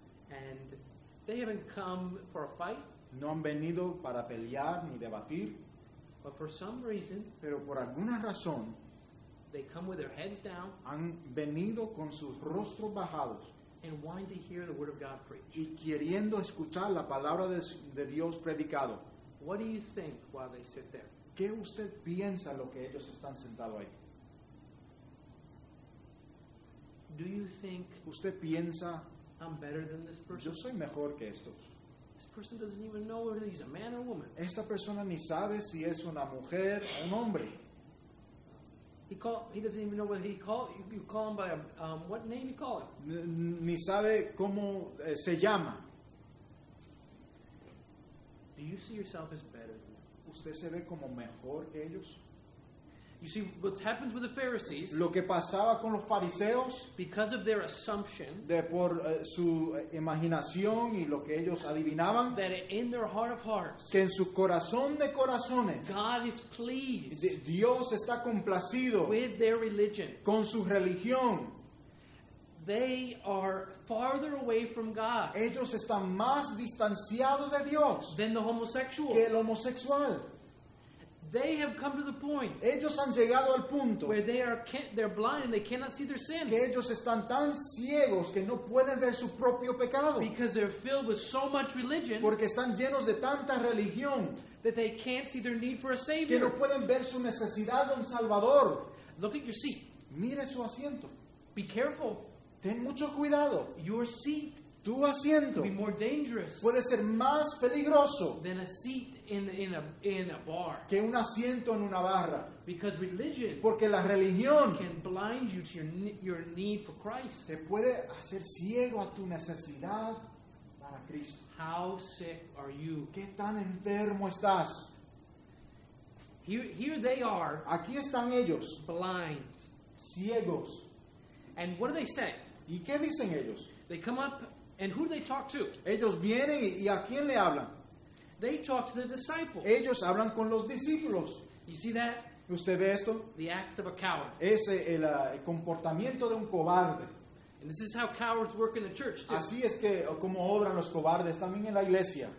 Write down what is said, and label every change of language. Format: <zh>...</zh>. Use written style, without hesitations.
<en>And they haven't come for a fight.</en> <es>No han venido para pelear ni debatir.</es> <en>But for some reason,</en> <es>pero por alguna razón,</es> <en>they come with their heads down.</en> <es>Han venido con sus rostros bajados.</es> <en>And wanting to hear the word of God preached.</en> <es>Y queriendo escuchar la palabra de Dios predicado.</es> <en>What do you think while they sit there?</en> <es>¿Qué usted piensa lo que ellos están sentados ahí?</es> <en>Do you think</en> <es>usted piensa,</es> <en>I'm better than this person?</en> <es>Yo soy mejor que estos.</es> <en>This person doesn't even know whether he's a man or a woman.</en> <es>Esta persona ni sabe si es una mujer o un hombre.</es> <en>He doesn't even know what he called. You call him by what name you call him.</en> <es>Ni sabe cómo se llama.</es> <en>Do you see yourself as better than them?</en> <es>¿Usted se ve como mejor que ellos?</es> <en>You see what happens with the Pharisees.</en> <es>Lo que pasaba con los fariseos.</es> <en>Because of their assumption.</en> <es>De por su imaginación y lo que ellos adivinaban.</es> <en>That in their heart of hearts.</en> <es>Que en su corazón de corazones.</es> <en>God is pleased.</en> <es>Dios está complacido.</es> <en>With their religion.</en> <es>Con su religión.</es> <en>They are farther away from God.</en> <es>Ellos están más distanciados de Dios.</es> <en>Than the homosexual.</en> <es>Que el homosexual.</es> <en>They have come to the point.</en> <es>Ellos han llegado al punto.</es> <en>Where they're blind and they cannot see their sin.</en> <es>Que ellos están tan ciegos que no pueden ver su propio pecado.</es> <en>Because they're filled with so much religion.</en> <es>Porque están llenos de tanta religión.</es> <en>That they can't see their need for a savior.</en> <es>Que no pueden ver su necesidad de un salvador.</es> <en>Look at your seat.</en> <es>Mire su asiento.</es> <en>Be careful.</en> <es>Ten mucho cuidado.</es> <en>Your seat</en> <es>tu asiento puede ser más peligroso</es> <en>than a seat in a bar.</en> <es>Que un asiento en una barra.</es> <en>Because religion,</en> <es>porque la religión</es> <en>can blind you to your need for Christ.</en> <es>Te puede hacer ciego a tu necesidad para Cristo.</es> <en>How sick are you?</en> <es>¿Qué tan enfermo estás?</es> <en>Here they are.</en> <es>Aquí están ellos.</es> <en>Blind.</en> <es>Ciegos.</es> <en>And what do they say?</en> <es>¿Y qué dicen ellos?</es> <en>They come up, and who do they talk to?</en> <es>Ellos vienen y ¿a quién le hablan?</es> <en>They talk to the disciples.</en> <es>Ellos hablan con los discípulos.</es> <en>You see that?</en> <es>¿Usted ve esto?</es> <en>The act of a coward.</en> <es>Es el comportamiento de un cobarde.</es> <en>And this is how cowards work in the church too.</en> <es>Así es que como obran los cobardes también en la iglesia.</es>